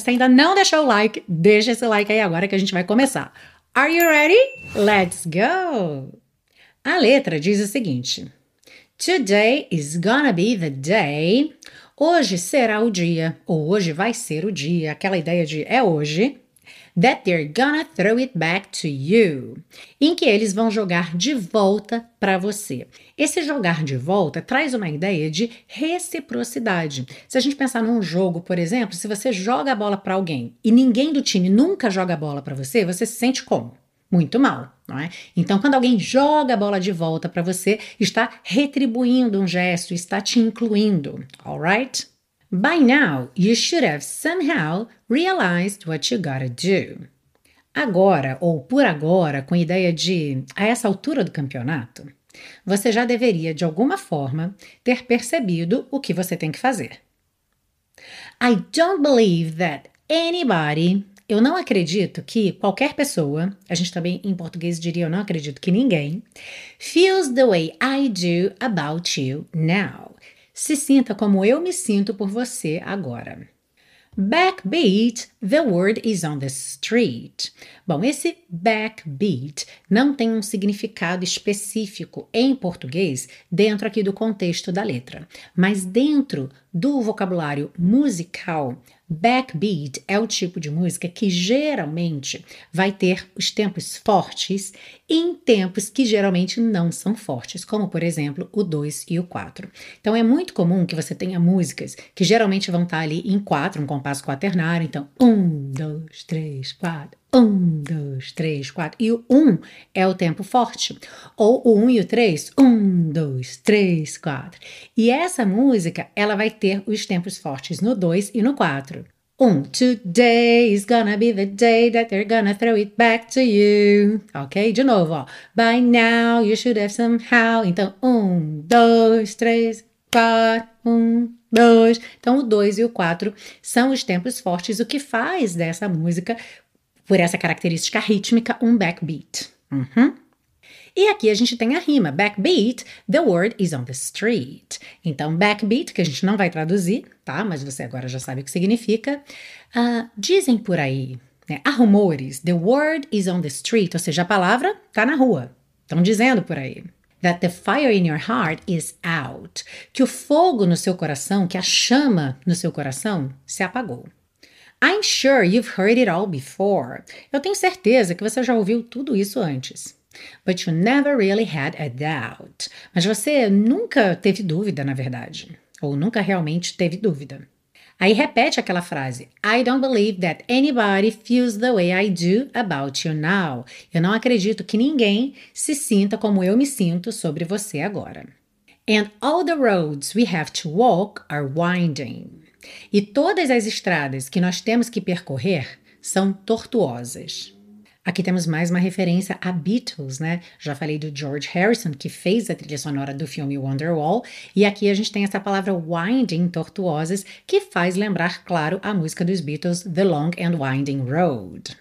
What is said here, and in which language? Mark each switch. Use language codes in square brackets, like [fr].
[pt] Se ainda não deixou o like, deixa esse like aí agora que a gente vai começar. [en] Are you ready? Let's go! [pt] A letra diz o seguinte: [en] Today is gonna be the day. [pt] Hoje será o dia, ou hoje vai ser o dia, aquela ideia de é hoje. [en] That they're gonna throw it back to you. [pt] Em que eles vão jogar de volta para você. Esse jogar de volta traz uma ideia de reciprocidade. Se a gente pensar num jogo, por exemplo, se você joga a bola para alguém e ninguém do time nunca joga a bola para você, você se sente como? Muito mal, não é? Então, quando alguém joga a bola de volta para você, está retribuindo um gesto, está te incluindo. [en] All right? By now, you should have somehow realized what you gotta do. [pt] Agora, ou por agora, com ideia de a essa altura do campeonato, você já deveria, de alguma forma, ter percebido o que você tem que fazer. [en] I don't believe that anybody... [pt] Eu não acredito que qualquer pessoa, a gente também em português diria eu não acredito que ninguém, [en] feels the way I do about you now. [pt] Se sinta como eu me sinto por você agora. [en] Backbeat, the word is on the street. [pt] Bom, esse backbeat não tem um significado específico em português dentro aqui do contexto da letra. Mas dentro do vocabulário musical, backbeat é o tipo de música que geralmente vai ter os tempos fortes em tempos que geralmente não são fortes, como por exemplo o 2 e o 4. Então é muito comum que você tenha músicas que geralmente vão estar ali em 4, um compasso quaternário, então 1, 2, 3, 4. 1, 2, 3, 4. E o 1 é o tempo forte. Ou o 1 e o 3. 1, 2, 3, 4. E essa música, ela vai ter os tempos fortes no 2 e no 4. 1. [en] Today is gonna be the day that they're gonna throw it back to you. Ok? [pt] De novo, ó. [en] By now you should have somehow. [pt] Então, 1, 2, 3, 4. 1, 2. Então, o 2 e o 4 são os tempos fortes. O que faz dessa música... Por essa característica rítmica, um backbeat. Uhum. E aqui a gente tem a rima. [en] Backbeat, the word is on the street. [pt] Então, backbeat, que a gente não vai traduzir, tá? Mas você agora já sabe o que significa. Dizem por aí, né? Há rumores. [en] The word is on the street. [pt] Ou seja, a palavra tá na rua. Estão dizendo por aí. [en] That the fire in your heart is out. [pt] Que o fogo no seu coração, que a chama no seu coração, se apagou. [en] I'm sure you've heard it all before. [pt] Eu tenho certeza que você já ouviu tudo isso antes. [en] But you never really had a doubt. [pt] Mas você nunca teve dúvida, na verdade. Ou nunca realmente teve dúvida. Aí repete aquela frase. [en] I don't believe that anybody feels the way I do about you now. [pt] Eu não acredito que ninguém se sinta como eu me sinto sobre você agora. [en] And all the roads we have to walk are winding. [pt] E todas as estradas que nós temos que percorrer são tortuosas. Aqui temos mais uma referência a Beatles, né? Já falei do George Harrison, que fez a trilha sonora do filme Wonderwall. E aqui a gente tem essa palavra winding, tortuosas, que faz lembrar, claro, a música dos Beatles, The Long and Winding Road.